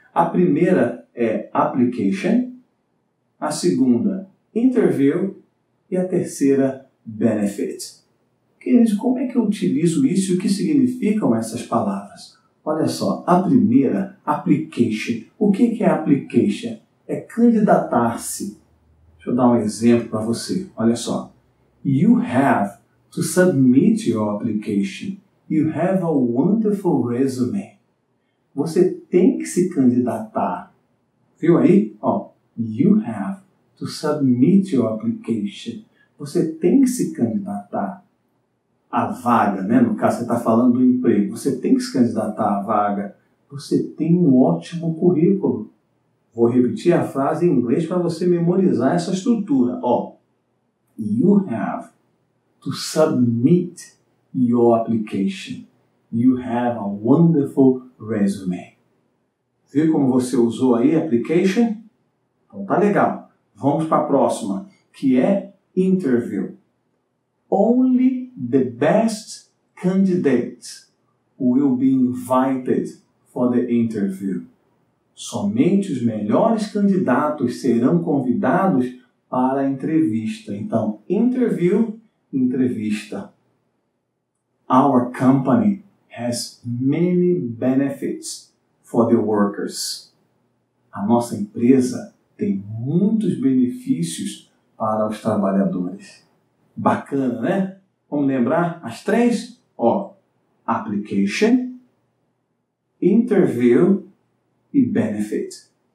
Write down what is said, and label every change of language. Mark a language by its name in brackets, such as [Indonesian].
[Portuguese] A primeira é application, a segunda interview e a terceira benefit. Queridos, como é que eu utilizo isso e o que significam essas palavras? Olha só, a primeira, application. O que é application? É candidatar-se. Deixa eu dar um exemplo para você. Olha só. [English] You have to submit your application. You have a wonderful resume. [Portuguese] Você tem que se candidatar. Viu aí? [English] Ó, you have to submit your application. [Portuguese] Você tem que se candidatar à vaga, né? No caso, você está falando do emprego. Você tem que se candidatar à vaga. Você tem um ótimo currículo. Vou repetir a frase em inglês para você memorizar essa estrutura. [English] Ó, you have to submit your application. You have a wonderful resume. [Portuguese] Viu como você usou aí application? Então tá legal. Vamos para a próxima, que é interview. [English] Only the best candidates will be invited for the interview. [Portuguese] Somente os melhores candidatos serão convidados para a entrevista. Então, interview, entrevista. [English] Our company has many benefits for the workers. [Portuguese] A nossa empresa tem muitos benefícios para os trabalhadores. Bacana, né? Vamos lembrar as três? Ó, application, interview e benefit.